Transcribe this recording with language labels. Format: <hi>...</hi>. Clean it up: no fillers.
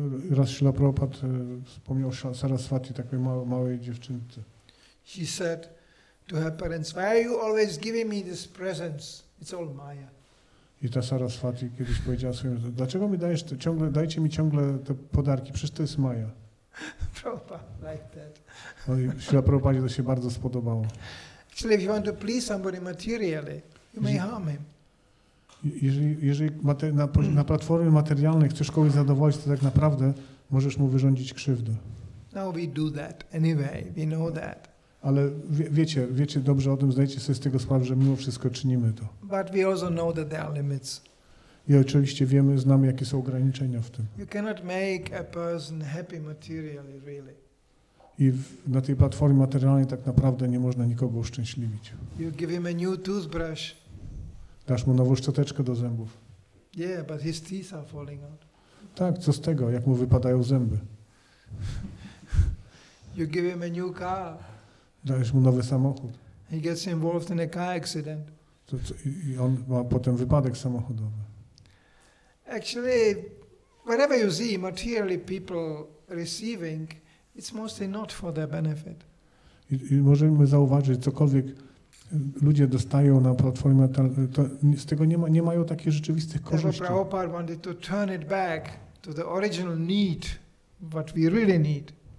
<pl>Raz Śrila Prabhupada wspomniał Saraswati, takiej małej dziewczynce.</pl> <en>She said to her parents, why are you always giving me this presents? It's all Maya.</en> <pl>I ta Saraswati kiedyś powiedziała swoim, dlaczego mi dajesz to ciągle, dajcie mi ciągle te podarki, przecież to jest Maja. Prabhupada,</pl> <en>like that.</en> <pl>No i to się bardzo spodobało.</pl> <en>Actually, if you want to please somebody materially, you may harm him.</en> <pl>Jeżeli na platformie materialnej chcesz kogoś zadowolić, to tak naprawdę możesz mu wyrządzić krzywdę.</pl> <en>No, we do that anyway, we know that.</en> <pl>Ale wiecie dobrze o tym, zdajcie sobie z tego sprawę, że mimo wszystko czynimy to.</pl> <en>But we also know that there are limits.</en> <pl>I oczywiście wiemy, znamy, jakie są ograniczenia w tym.</pl> <en>You cannot make a person happy materially, really.</en> <pl>I na tej platformie materialnej tak naprawdę nie można nikogo uszczęśliwić.</pl> <en>You give him a new toothbrush.</en> <pl>Dasz mu nową szczoteczkę do zębów.</pl> <en>Yeah, but his teeth are falling out.</en> <pl>Tak, co z tego, jak mu wypadają zęby.</pl> <en>You give him a new car.</en> <pl>Dajesz mu nowy samochód.</pl> <en>He gets involved in a car accident.</en> <pl>I on ma potem wypadek samochodowy.</pl> <en>Actually, whatever you see materially people receiving, it's mostly not for their benefit.</en> <pl>I możemy zauważyć, cokolwiek ludzie dostają na platformie, to z tego nie mają takich rzeczywistych korzyści.</pl> <en>Therefore, Prabhupada wanted to turn it back to the original need, what we really need.</en>